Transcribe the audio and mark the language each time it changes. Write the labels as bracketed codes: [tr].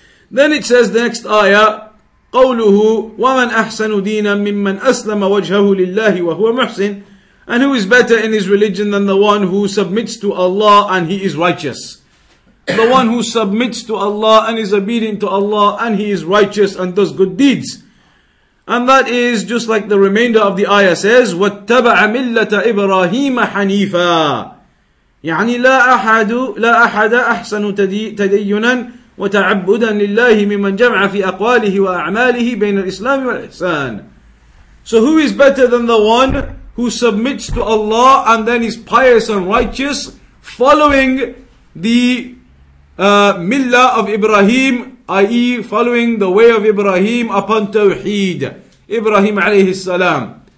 [en] Then it says the next ayah, [ar] قَوْلُهُ وَمَنْ أَحْسَنُ دِينًا مِّمَّنْ أَسْلَمَ وَجْهَهُ لِلَّهِ وَهُوَ مُحْسِنٌ, [en] and who is better in his religion than the one who submits to Allah and he is righteous. The one who submits to Allah and is obedient to Allah and he is righteous and does good deeds. And that is just like the remainder of the ayah says, [ar] وَاتَّبَعَ مِلَّةَ إِبْرَاهِيمَ حَنِيفًا, يعني لا أحد لا أحد أحسن تدينا وتعبدا لله ممن جمع في أقواله وأعماله بين الإسلام والإحسان. [en] So who is better than the one who submits to Allah and then is pious and righteous, following the millah of Ibrahim, i.e. following the way of Ibrahim upon Tawheed, Ibrahim [ar] عليه السلام.